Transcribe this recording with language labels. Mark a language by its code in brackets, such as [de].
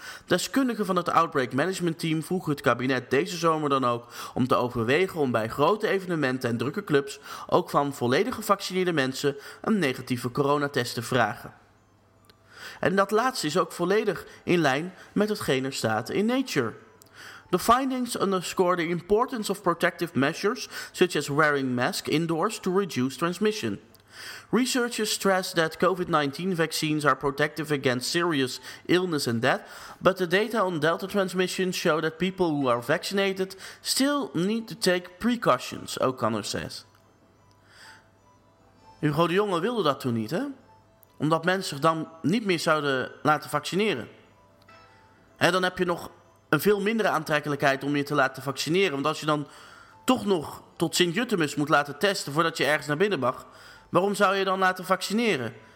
[nl] Deskundigen van het Outbreak Management Team vroegen het kabinet deze zomer dan ook om te overwegen om bij grote evenementen en drukke clubs ook van volledig gevaccineerde mensen een negatieve coronatest te vragen. En dat laatste is ook volledig in lijn met hetgeen er staat in Nature. [en] The findings underscore the importance of protective measures such as wearing masks indoors to reduce transmission. Researchers stress that COVID-19 vaccines are protective against serious illness and death, but the data on Delta transmission show that people who are vaccinated still need to take precautions, O'Connor says. [nl] Hugo de Jonge wilde dat toen niet, hè? Omdat mensen zich dan niet meer zouden laten vaccineren. En dan heb je nog een veel mindere aantrekkelijkheid om je te laten vaccineren, want als je dan toch nog tot Sint-Jutemus moet laten testen voordat je ergens naar binnen mag, waarom zou je dan laten vaccineren?